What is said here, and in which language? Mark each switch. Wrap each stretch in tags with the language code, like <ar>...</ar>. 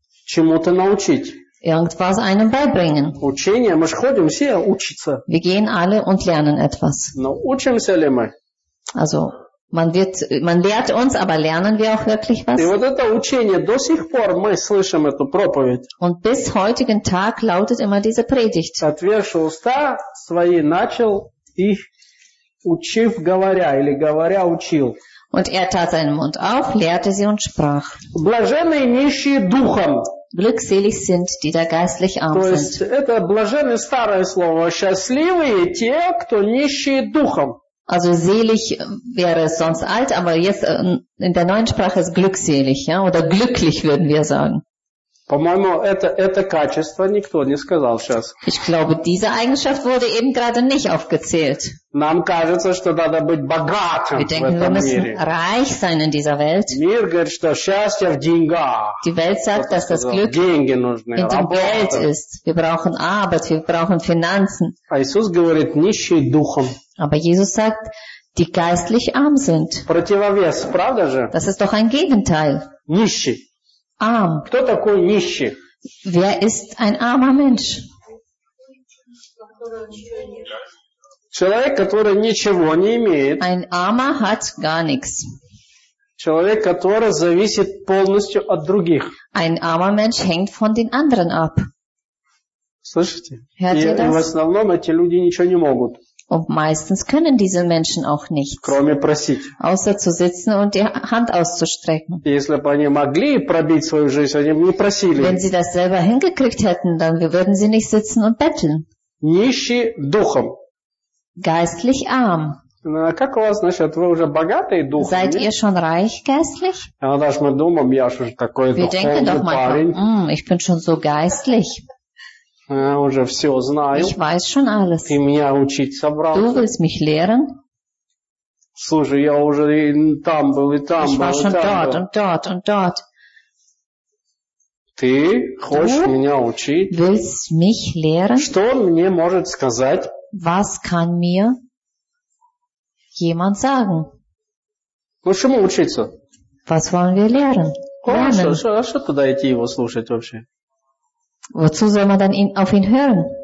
<ru>Чему-то научить.</ru> <de>Irgendwas einem beibringen.</de> <ru>Учение. Мы же ходим все учиться.</ru> <de>Wir gehen alle und lernen etwas.</de> <ru>Но учимся ли мы?</ru> <de>Also, man lehrt uns, aber lernen wir auch wirklich was?</de> <ru>И вот это учение, до сих пор мы слышим эту проповедь.</ru> <de>Und bis heutigen Tag lautet immer diese Predigt.</de> <ru>Отверши уста свои, начал их учив говоря, или говоря учил.</ru> <de>Und er tat seinen Mund auf, lehrte sie und sprach.</de> <ru>Блаженные нищие духом.</ru> <de>Glückselig sind, die da geistlich arm</de> <ru>то</ru> <de>sind.</de> <ru>То есть это блаженные старое слово. Счастливые те, кто нищие духом.</ru> <de>Also selig wäre es sonst alt, aber jetzt in der neuen Sprache ist glückselig, ja, oder glücklich würden wir sagen.</de> <ru>По-моему, это качество никто не сказал сейчас.</ru> <de>Ich glaube, diese Eigenschaft wurde eben gerade nicht aufgezählt.</de> <ru>Нам кажется, что надо быть богатым</ru> <de>wir denken, wir müssen</de> <ru>мире.</ru> <de>Reich sein in dieser Welt.</de> <ru>Мир говорит, что счастье в деньгах.</ru> <de>Die Welt sagt, dass das Glück</de> <ru>деньги нужны,</ru> <de>in dem Geld ist. Wir brauchen Arbeit, wir brauchen Finanzen.</de> <ru>А Иисус говорит, нищий духом.</ru> <de>Aber Jesus sagt, die geistlich arm sind.</de> <ru>Противовес, правда же?</ru> <de>Das ist doch ein Gegenteil.</de> <ru>Нищий.</ru> <de>Arm.</de> <ru>Кто такой нищий?</ru> <de>Wer ist ein armer Mensch?</de> <ru>Человек, который ничего не имеет.</ru> <de>Ein armer hat gar nichts.</de> <ru>Человек, который зависит полностью от других.</ru> <de>Ein armer Mensch hängt von den anderen ab.</de> <ru>Слышите?</ru> <de>Hört ihr das?</de> <ru>И в основном эти люди ничего не могут.</ru> <de>Und meistens können diese Menschen auch nichts.</de> <ru>Кроме просить.</ru> <de>Außer zu sitzen und die Hand auszustrecken.</de> <ru>Если бы они могли пробить свою жизнь, они бы не просили.</ru> <de>Wenn sie das selber hingekriegt hätten, dann würden sie nicht sitzen und betteln.</de> <ru>Нищий духом.</ru> <de>Geistlich arm.</de> <ru>Ну, как у вас, значит, вы уже богатые духом?</ru> <de>Seid ihr schon reich geistlich? Ja, das</de> <ru>мы думаем, я же такой духовный парень.</ru> <de>Ich bin schon so geistlich.</de> <ru>уже все знаю.</ru> <de>Ich weiß schon alles.</de> <ru>Ты меня учить собрался.</ru> <de>Du willst mich lehren?</de> <ru>Слушай, я уже и там был, и там</ru> <de>ich</de> <ru>был,</ru> <de>war schon</de> <ru>и там</ru> <de>dort,</de> <ru>был.</ru> <de>Und dort, und dort.</de> <ru>Ты хочешь</ru> <de>du</de> <ru>меня учить?</ru> <de>Willst mich lehren?</de> <ru>Что мне может сказать?</ru> <de>Was kann mir jemand sagen?</de> <ru>Ну, чему учиться?</ru> <de>Was wollen wir lernen?</de> <ru>Хорошо, а что туда идти его слушать вообще?</ru> <de>Wozu soll man dann auf ihn hören?</de>